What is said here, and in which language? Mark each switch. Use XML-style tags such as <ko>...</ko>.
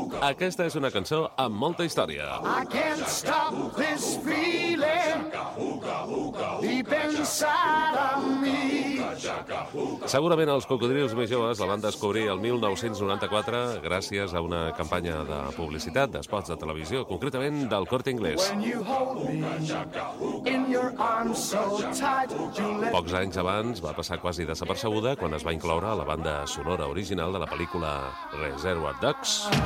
<ca>Aquesta és una cançó amb molta història.</ca> <en>I can't stop this feeling deep inside of me.</en> <ca>Segurament els cocodrils més joves la van descobrir el 1994 gràcies a una campanya de publicitat d'esports de televisió, concretament del Corte Inglés. Pocs anys abans va passar quasi desapercebuda quan es va incloure a la banda sonora original de la pel·lícula Reservoir Dogs.</ca>